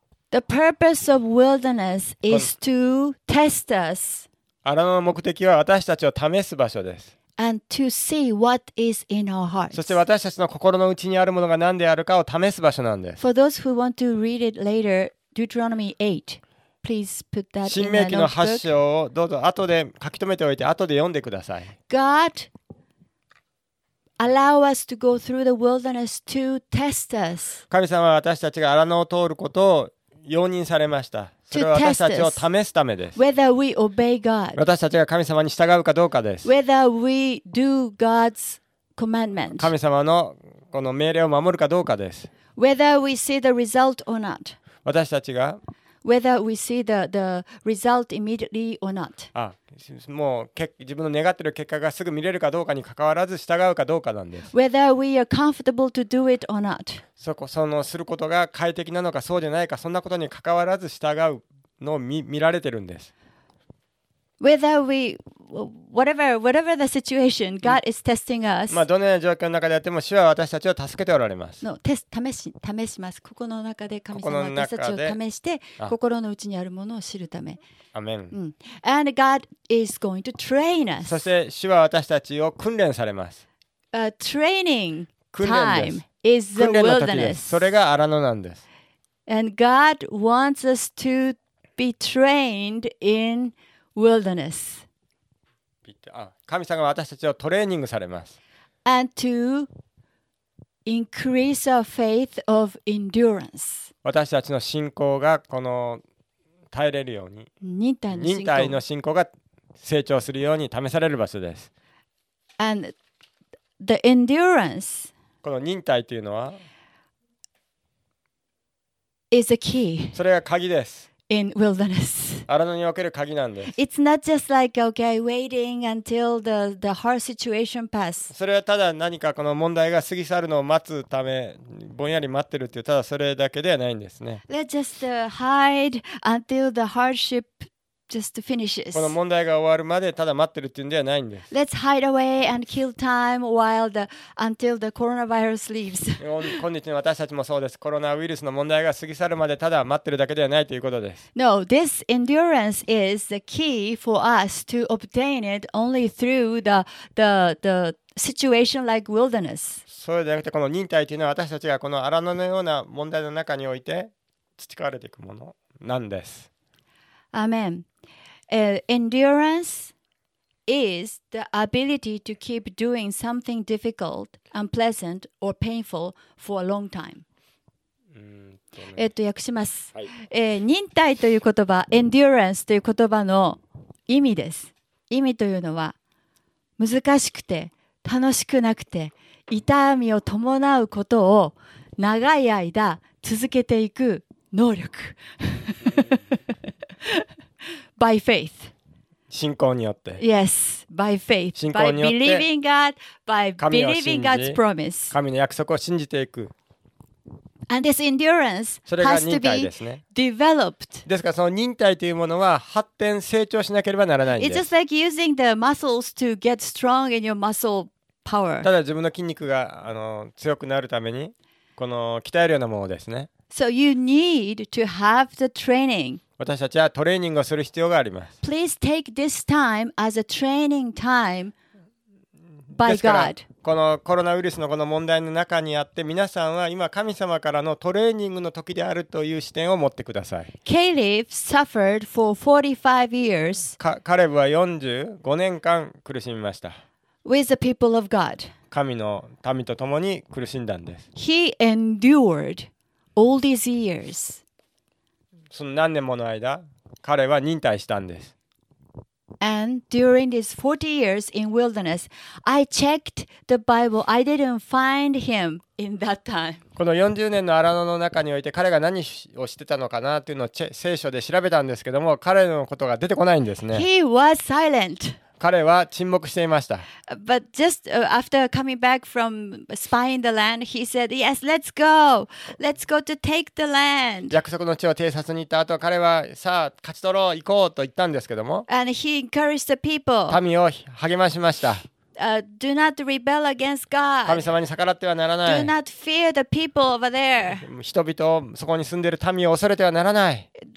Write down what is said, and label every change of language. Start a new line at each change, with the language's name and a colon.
English: The purpose of wilderness is to test us.
Japanese: 荒野の目的は私たちを試す場所です。
English: And to see what is in our hearts.
Japanese: そして私たちの心の内にあるものが何であるかを試す場所なんです。
English: For those who want to read it later, Deuteronomy 8, please put that in the notebook.
Japanese: 申命記の8章をどうぞ後で書き留めておいて後で読んでください。
English: God allow us to go through the wilderness to test us.
Japanese: 神様は私たちが荒野を通ることを容認されました。それは私たちを試すためです。
English: Whether we obey God.
Japanese: 私たちが神様に従うかどうかです。
English: Whether we do God's commandment.
Japanese: 神様のこの命令を守るかどうかです。
English: Whether we see the result or not.
Japanese: 私たちが
English: Whether we see the result immediately or not.
Japanese: あ、もう自分の願っている結果がすぐ見れるかどうかに関わらず従うかどうかなんです。
English: Whether we are comfortable to do it or not.
Japanese: そのすることが快適なのかそうじゃないかそんなことに関わらず従うのを見られてるんです。
English: Whether we whatever the situation, God is testing us.
Japanese: まあどのような状況の中であっても主は私たちを助けておられます。
English: No, test
Japanese: 試します。心の中で神様は私たちを試して心の内にあるものを知るため。アメン。
English: うん。And God is going to train us.
Japanese: そして主は私たちを訓練されます。
English: Training time is the wilderness.
Japanese: それが荒野なんです。
English: And God wants us to be trained in Wilderness.
Japanese: 神様は私たちをトレーニングされます。
English: And to increase our faith of endurance.
Japanese: 私たちの信仰がこの耐えれるように忍耐の信仰が成長するように試される場所です。
English: And the endurance.
Japanese: この忍耐というのは
English: is a key.
Japanese: それが鍵です。
English: In wilderness.
Japanese: 荒野における鍵なんです。
English: It's not just like okay, waiting until the hard situation pass.
Japanese: それはただ何かこの問題が過ぎ去るのを待つためぼんやり待ってるっていうただそれだけではないんですね。
English: Let's just hide until the hardship just finishes.
Japanese: この問題が終わるまでただ待ってるっていうんではないんです。
English: Let's hide away and kill time while until the coronavirus leaves.
Japanese: 今日の私たちもそうです。コロナウイルスの問題が過ぎ去るまでただ待ってるだけではないということです。
English: No, this endurance is the key for us to obtain it only through the situation like wilderness.
Japanese: そうじゃなくてこの忍耐というのは私たちがこの荒野のような問題の中において培われていくものなんです。
English: Amen. Endurance is the ability to keep doing something difficult, unpleasant, or painful for a long time.
Japanese: 訳します。はい。忍耐という言葉、endurance という言葉の意味です。意味というのは、難しくて、楽しくなくて、痛みを伴うことを長い間続けていく能力。
English: By faith.
Japanese: 信仰によって。
English: Yes, by faith.
Japanese: 信仰によって。
English: By believing God, by believing God's promise.
Japanese: 神の約束を信じていく。
English: And this endurance has to be developed.
Japanese: ですからその忍耐というものは発展、成長しなければならないんです。
English: It's just like using the muscles to get strong in your muscle power.
Japanese: ただ自分の筋肉が強くなるために、この鍛えるようなものですね。
English: So you need to have the training.
Japanese: 私たちはトレーニングをする必要があります。
English: Please take this time as a training time by God.
Japanese: このコロナウイルスのこの問題の中にあって、皆さんは今神様からのトレーニングの時であるという視点を持ってください。カレブは45 年間苦しみました。
English: With the people of God.
Japanese: 神の民と共に苦しんだんです。
English: He endured all these years.
Japanese: その何年もの間、彼は忍耐したんです。
English: And during these 40 years in wilderness, I checked the Bible. I didn't find him in that time.
Japanese: この40年の荒野の中において彼が何をしてたのかなというのを聖書で調べたんですけども、彼のことが出てこないんですね。
English: He was silent.
Japanese: 彼は沈黙していました。
English: But just after coming back from spying the land, he said, "Yes, let's go. Let's go to take the land."
Japanese: 約束の地を偵察に行った後、彼はさあ勝ち取ろう、行こうと言ったんですけども。
English: And he encouraged the people.
Japanese: 民を励ましました。
English: Do not rebel against God.
Japanese: 神様に逆らってはならない。
English: Do not fear the people over there.
Japanese: 人々を、そこに住んでいる民を恐れてはならない。